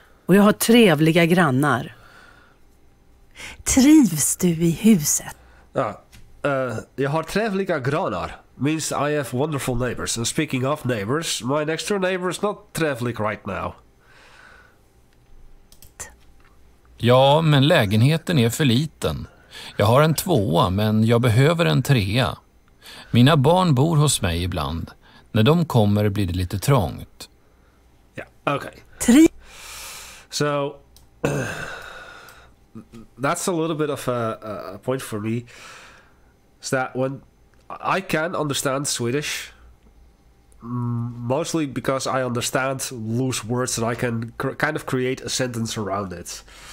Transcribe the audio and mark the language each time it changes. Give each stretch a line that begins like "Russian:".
Swedish: Och jag har trevliga grannar. Trivs du i huset? Ja, jag har trevliga grannar.
English: Means I have wonderful neighbors. And speaking of neighbors, my next door neighbor is not trevlig right now.
Swedish: Ja, men lägenheten är för liten. Jag har en tvåa, men jag behöver en trea. Mina barn bor hos mig ibland. När de kommer blir det lite trångt. Ja, yeah, okej.
English: Okay. So, that's a little bit of a point for me. Is that when I can understand Swedish, mostly because I understand loose words and I can kind of create a sentence around it.